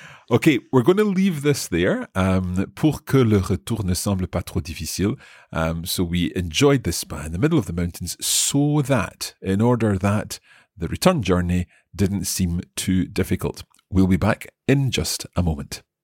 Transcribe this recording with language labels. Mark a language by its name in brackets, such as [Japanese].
[English] Okay, we're going to leave this there. [French] Pour que le retour ne semble pas trop difficile. [English] So we enjoyed this spa in the middle of the mountains so that, in order that, the return journey didn't seem too difficult. We'll be back in just a moment.